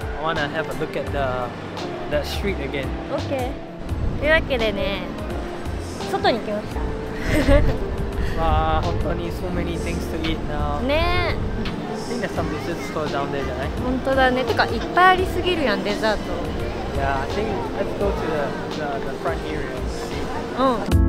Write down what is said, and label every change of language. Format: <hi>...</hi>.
<en>I wanna have a look at the street again. Okay.</en> <ja>というわけでね、外に来ました。わあ、本当に</ja> <en>so many things to eat now.</en> <ja>ね。</ja> <en>I think there's some dessert store down there,</en> <ja>じゃない？本当だね。てかいっぱいありすぎるやん、デザート。</ja> <en>Yeah, I think let's go to the front area.</en>